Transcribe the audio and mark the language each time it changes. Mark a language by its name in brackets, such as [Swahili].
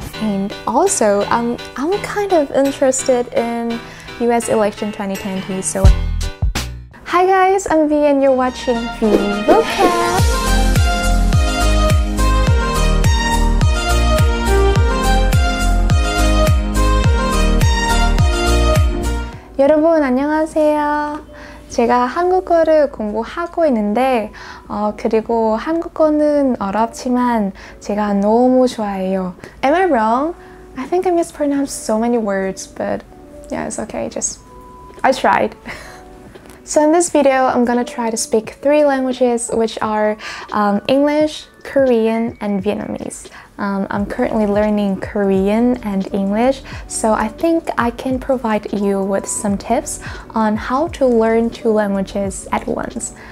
[English] And also, I'm kind of interested in US election 2020, so... Hi guys, I'm V and you're watching VyVocab! [Korean] Everyone, 안녕하세요. 제가 한국어를 공부하고 있는데 그리고 한국어는 어렵지만 제가 너무 좋아해요. [English] Am I wrong? I think I mispronounced so many words, but yeah, it's okay. I tried. So in this video, I'm gonna try to speak three languages, which are English, Korean, and Vietnamese. I'm currently learning Korean and English, so I think I can provide you with some tips on how to learn two languages at once.